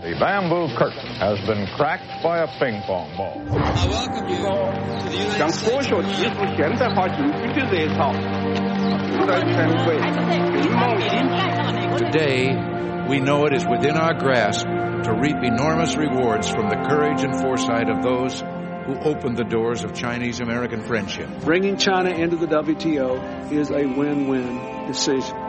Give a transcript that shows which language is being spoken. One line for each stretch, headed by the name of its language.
English: The bamboo curtain has been cracked by a ping pong ball. I welcome you to the United States of America.
Chinese: 向科学技术现代化进军的热潮，不断前推，云梦新。
English: Today, we know it is within our grasp to reap enormous rewards from the courage and foresight of those. Who opened the doors of Chinese-American friendship. Bringing China into the WTO is a win-win decision.